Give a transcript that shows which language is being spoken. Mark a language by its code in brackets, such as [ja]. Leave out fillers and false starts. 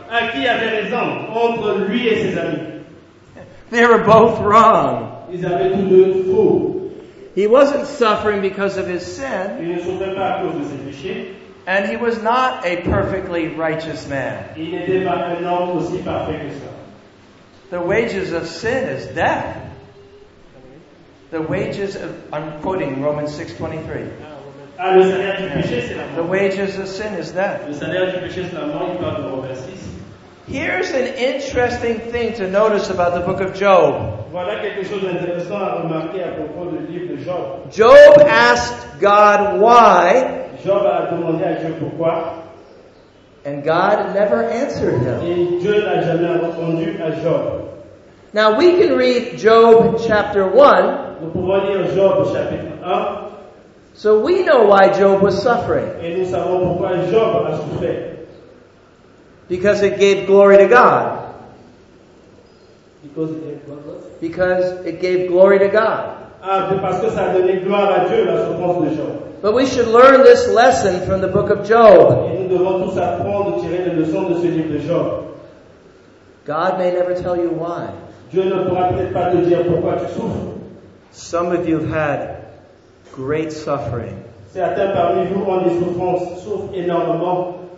[fr] À qui avait raison entre lui et ses amis? [en] They were both wrong. [fr] Ils avaient tous deux faux. [en] He wasn't suffering because of his sin. [fr] Il ne souffrait pas à cause de ses péchés. [en] And he was not a perfectly righteous man. [fr] Il n'était pas un homme aussi parfait que ça. [en] The wages of sin is death. The wages of, I'm quoting Romans 6:23. [fr] Ah, le salaire du péché, c'est la mort. [en] The wages of sin is death. [fr] Le salaire du péché, c'est la mort. Il parle de Romains 6. [en] Here's an interesting thing to notice about the book of Job. [fr] Voilà quelque chose d'intéressant à remarquer à propos du livre de Job. [en] Job asked God why. [fr] Job a demandé à Dieu pourquoi. [en] And God never answered him. [fr] Et Dieu n'a jamais répondu à Job. [en] Now we can read Job chapter 1. [fr] Nous pouvons lire Job chapitre 1. [en] So we know why Job was suffering. [fr] Et nous savons pourquoi Job a souffert. [en] Because it gave glory to God. Because it gave glory to God. Because it gave glory to God. [fr] Ah, parce que ça donnait gloire à Dieu, la souffrance de Job. [en] But we should learn this lesson from the book of Job. [fr] Et nous devons tous apprendre, tirer les leçons de ce livre de Job. [en] God may never tell you why. [fr] Dieu ne pourra peut-être pas te dire pourquoi tu souffres. [en] Some of you have had great suffering. [fr] Certains parmi vous ont des souffrances, souffrent énormément.